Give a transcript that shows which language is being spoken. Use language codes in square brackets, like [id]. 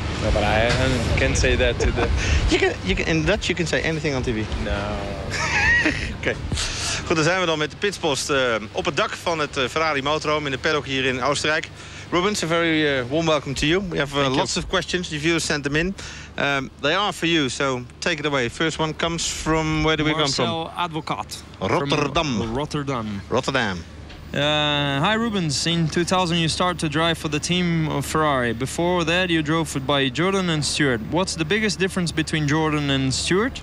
[en] No, but I can't say that to the. You can, in Dutch you can say anything on TV. No. Oké. Okay. [nl] Goed, dan zijn we dan met de pitspost op het dak van het Ferrari motorhome in de paddock hier in Oostenrijk. [en] Rubens, a very warm welcome to you. We have lots of questions. The viewers sent them in. They are for you, so take it away. First one comes from where do Marcel we come from? Marcel Advocaat. Rotterdam. Rotterdam. Rotterdam. Hi Rubens, in 2000 you start to drive for the team of Ferrari. Before that you drove by Jordan and Stewart. What's the biggest difference between Jordan and Stewart?